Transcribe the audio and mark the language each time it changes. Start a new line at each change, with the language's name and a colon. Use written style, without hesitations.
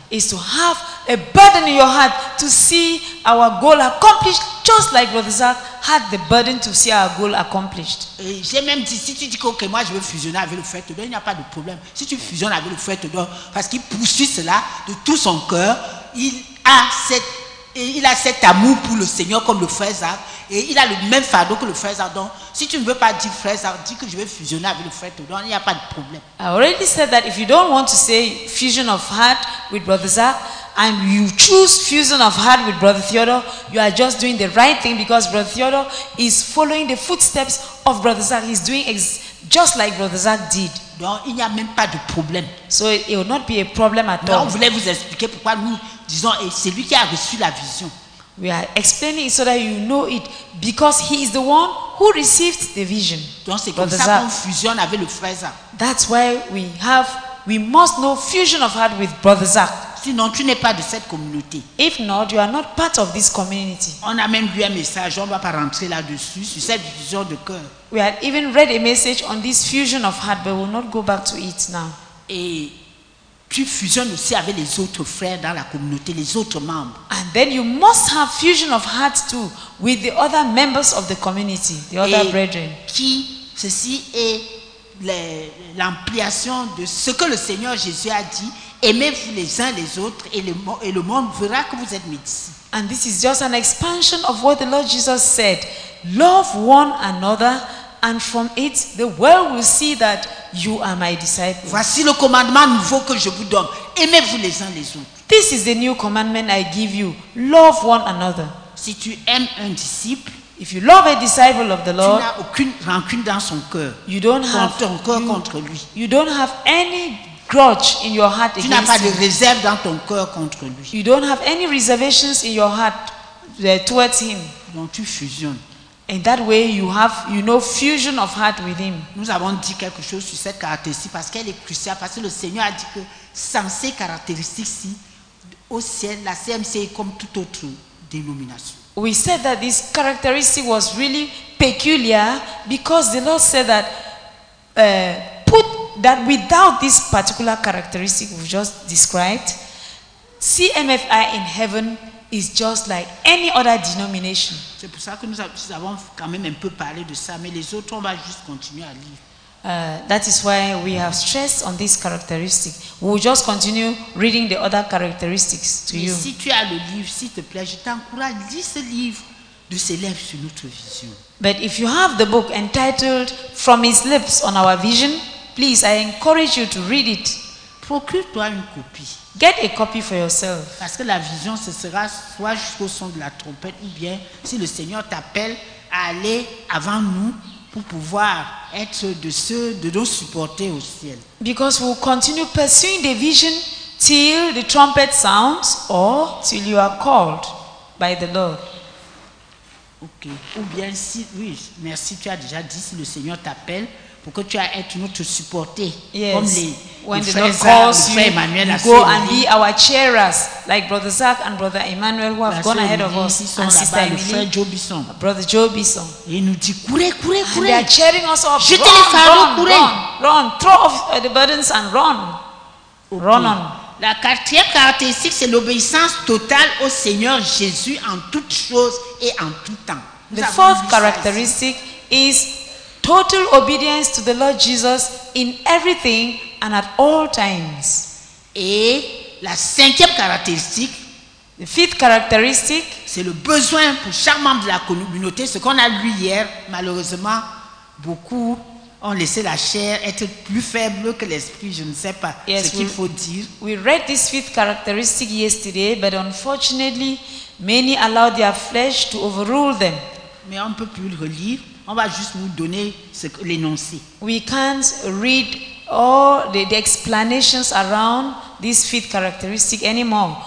English: Is to have a burden in your heart to see our goal accomplished just like brother Zach had the burden to see our goal accomplished.
French: Et j'ai même dit, si tu dis que moi je veux fusionner avec le frère Tedor, il n'y a pas de problème. Si tu fusionnes avec le frère Tedor, parce qu'il poursuit cela de tout son cœur, il a cet amour pour le Seigneur comme le frère Zach, et il a le même fardeau que le frère Zach. Donc, si tu ne veux pas dire frère Zach, dis que je veux fusionner avec le frère Tedor, il n'y a pas de problème.
English: I already said that if you don't want to say fusion of heart with brother Zach, and you choose fusion of heart with brother Theodore, you are just doing the right thing because brother Theodore is following the footsteps of brother Zach. He's doing just like brother Zach did.
French: Donc, il n'y a même pas de problème.
English: So it will not be a problem at all.
French: On voulait vous expliquer pourquoi nous disons et c'est lui qui a reçu la vision.
English: We are explaining it so that you know it because he is the one who who received the vision.
French: Donc c'est comme ça qu'on fusionne avec le frère Zach.
English: That's why we must know fusion of heart with brother Zach.
French: Sinon tu n'es pas de cette communauté.
English: If not, you are not part of this community.
French: On a même lu un message, on ne va pas rentrer là-dessus, sur cette fusion de cœur.
English: We had even read a message on this fusion of heart, but we'll not go back to it now.
French: Et tu fusionnes aussi avec les autres frères dans la communauté, les autres membres.
English: And then you must have fusion of heart too with the other members of the community, the other
French: et
English: brethren.
French: Qui ceci est l'ampliation de ce que le Seigneur Jésus a dit, aimez-vous les uns les autres et le monde verra que vous êtes mes disciples.
English: And this is just an expansion of what the Lord Jesus said. Love one another, and from it the world will see that you are my disciples.
French: Voici le commandement nouveau que je vous donne. Aimez-vous les uns les autres.
English: This is the new commandment I give you. Love one another.
French: Si tu aimes un disciple,
English: if you love a disciple of the Lord,
French: tu n'as aucune rancune dans son cœur.
English: You don't have
French: ton cœur contre lui.
English: You don't have any grudge in your heart against him.
French: Tu n'as pas de réserve dans ton cœur contre lui.
English: You don't have any reservations in your heart towards him.
French: Donc tu fusionnes.
English: In that way, you know fusion of heart with him.
French: Nous avons dit quelque chose sur cette caractéristique parce qu'elle est cruciale, parce que le Seigneur a dit que sans ces caractéristiques-ci, au ciel, la CMC est comme toute autre dénomination.
English: We said that this characteristic was really peculiar because the Lord said that that without this particular characteristic we've just described, CMFI in heaven is just like any other denomination.
French: C'est pour ça que nous avons quand même un peu parlé de ça, mais les autres on va juste continuer à lire.
English: That is why we have stressed on this characteristic. We'll just continue reading the other characteristics to you.
French: Si tu as le livre, s'il te plaît, je t'encourage, lis ce livre de ses lèvres sur notre vision.
English: But if you have the book entitled From His Lips on Our Vision, please, I encourage you to read it.
French: Procure-toi une copie.
English: Get a copy for yourself.
French: Parce que la vision, ce sera soit jusqu'au son de la trompette, ou bien si le Seigneur t'appelle à aller avant nous pour pouvoir être de ceux de nous supporter au ciel.
English: Because we'll continue pursuing the vision till the trumpet sounds or till you are called by the Lord. Ok.
French: Ou bien si, oui, merci, tu as déjà dit, si le Seigneur t'appelle pour que tu aies être notre supporter.
English: Yes.
French: Comme les
English: when
French: les
English: the Lord calls you, Emmanuel, you go and be our chairers, like Brother Zach and Brother Emmanuel, who have gone ahead of us, and Sister Emily, Brother Joe Bisson.
French: Il nous dit, courez, courez, courez.
English: They are cheering us off.
French: Jetez les fardeaux, courez.
English: Run, throw off the burdens and run. Okay. Run on.
French: La quatrième caractéristique, c'est l'obéissance totale au Seigneur Jésus en toutes choses et en tout temps.
English: The fourth characteristic is total obedience to the Lord Jesus in everything and at all times.
French: Et la cinquième caractéristique,
English: the fifth characteristic,
French: c'est le besoin pour chaque membre de la communauté, ce qu'on a lu hier. Malheureusement, beaucoup ont laissé la chair être plus faible que l'esprit, je ne sais pas
English: yes,
French: ce qu'il faut dire.
English: We read this fifth characteristic yesterday, but unfortunately, many allowed their flesh to overrule them.
French: Mais on ne peut plus le relire. On va juste nous donner l'énoncé.
English: We can't read all the explanations around this fifth characteristic anymore.